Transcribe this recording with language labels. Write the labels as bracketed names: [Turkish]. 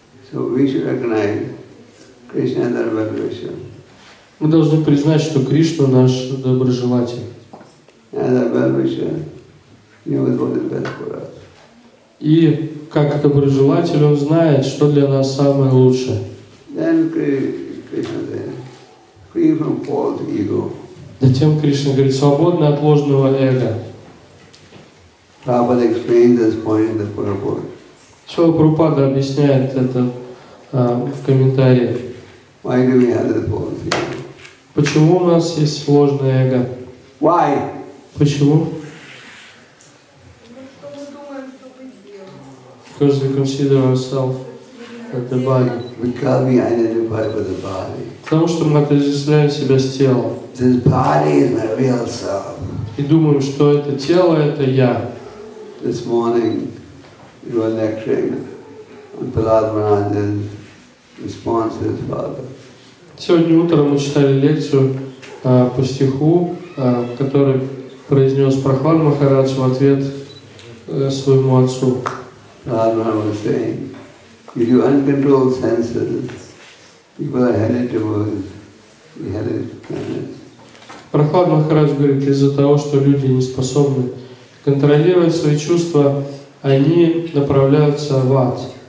[English] So we should recognize Krishna as our well-wisher. [Russian] Мы должны признать, что Кришна наш доброжелатель. [English] As our well-wisher, he knows what is best for us. [Russian] И как доброжелатель, он знает, что для нас самое лучшее. [English] Then Krishna says, free from false ego. [Russian] Затем Кришна говорит, свободны от ложного эго. [English] Prabhupada explains this point in the Purport. [Russian] Шрила Прабхупада объясняет это в комментариях. [English] Why do we have this false ego? [Russian] Почему у нас есть ложное эго? [English] Why? [Russian] Почему? [English] Because we consider ourselves as the body. Because we identify with the body. [Russian] Потому что мы отождествляем себя с телом. [English] This body is my real self. [Russian] И думаем, что это тело – это я. [English] This morning. You are lecturing on Prahlad Maharaj's response to his father. [Russian] Сегодня утром мы читали лекцию по стиху, который произнес Прахлад Махарадж в ответ своему отцу. [English] Prahlad Maharaj was saying, if you uncontrolled senses, people are headed towards the headed planets. [Russian] Прахлад Махарадж говорит, из-за того, что люди не способны контролировать свои чувства, они направляются в ад.